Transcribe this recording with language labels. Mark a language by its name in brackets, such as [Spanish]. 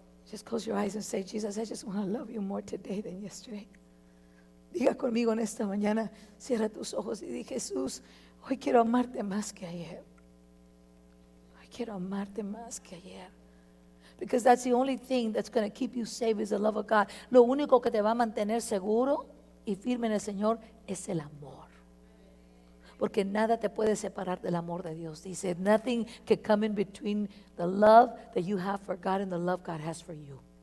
[English] Just close your eyes and say, Jesus, I just want to love you more today than yesterday. [Spanish] Diga conmigo en esta mañana, cierra tus ojos y di, Jesús, hoy quiero amarte más que ayer. Hoy quiero amarte más que ayer. [English] Because that's the only thing that's going to keep you safe is the love of God. [Spanish] Lo único que te va a mantener seguro y firme en el Señor es el amor. Porque nada te puede separar del amor de Dios. [English] Dice, nothing can come in between the love that you have for God and the love God has for you.